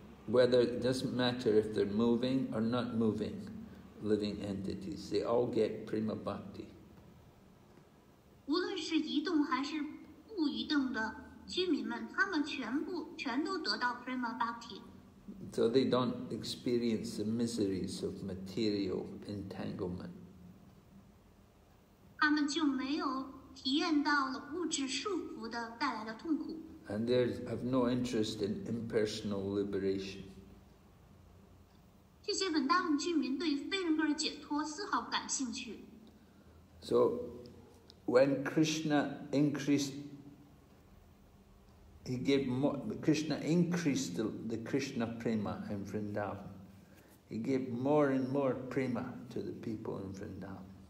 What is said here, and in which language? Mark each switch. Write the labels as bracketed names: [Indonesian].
[English] Whether it doesn't matter if they're moving or not moving, living entities, they all get prema bhakti. [Chinese] 无论是移动还是不移动的居民们，他们全都得到 prema bhakti。 [English] So they don't experience the miseries of material entanglement. [Chinese] 他们就没有体验到了物质束缚的带来的痛苦。 [English] And they have no interest in impersonal liberation. [Chinese] 这些文达文居民对非人格的解脱丝毫不感兴趣。 [English] So when Krishna increased Krishna increased the Krishna prema in Vrindavan. He gave more and more prema to the people in Vrindavan.